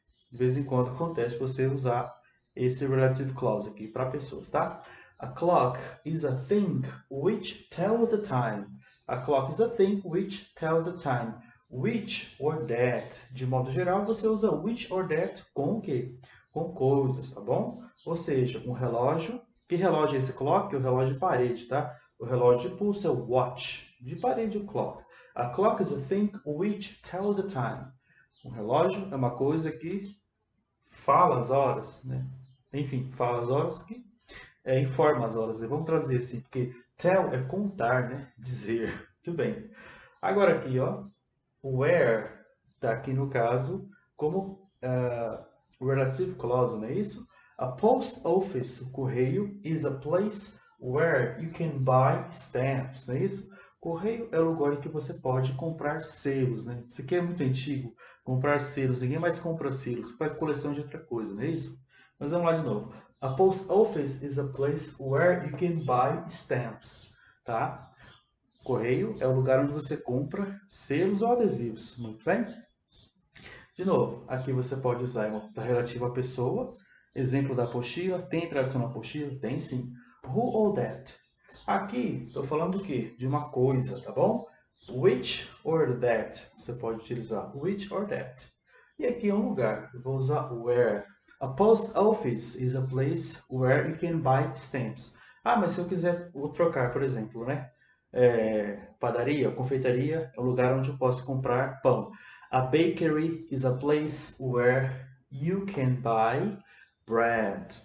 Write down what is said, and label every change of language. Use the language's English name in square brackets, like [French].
[Portuguese] De vez em quando acontece você usar esse relative clause aqui para pessoas, tá? [English] A clock is a thing which tells the time. A clock is a thing which tells the time. Which or that. [Portuguese] De modo geral, você usa which or that com o quê? Com coisas, tá bom? Ou seja, um relógio. Que relógio é esse clock? O relógio de parede, tá? O relógio de pulso é o watch. De parede, o clock. A clock is a thing which tells the time. Um relógio é uma coisa que fala as horas, né? Enfim, fala as horas que. É, informa as horas. Vamos traduzir assim, porque tell é contar, né? Dizer. Muito bem. Agora aqui, ó, o where está aqui no caso como relative clause, não é isso? [English] A post office, [Portuguese] o correio, [English] is a place where you can buy stamps, [Portuguese] não é isso? Correio é o lugar em que você pode comprar selos, né? Isso aqui é muito antigo, comprar selos. Ninguém mais compra selos, faz coleção de outra coisa, não é isso? Mas vamos lá de novo. [English] A post office is a place where you can buy stamps, tá? [Portuguese] Correio é o lugar onde você compra selos ou adesivos, muito bem? De novo, aqui você pode usar uma relativa à pessoa. Exemplo da apostila, tem tradução na apostila? Tem sim. [English] Who or that? [Portuguese] Aqui, estou falando do quê? De uma coisa, tá bom? [English] Which or that? [Portuguese] Você pode utilizar [English] which or that. [Portuguese] E aqui é um lugar, eu vou usar where. [English] A post office is a place where you can buy stamps. [Portuguese] Ah, mas se eu quiser, vou trocar, por exemplo, né? Padaria, confeitaria é o lugar onde eu posso comprar pão. [English] A bakery is a place where you can buy bread.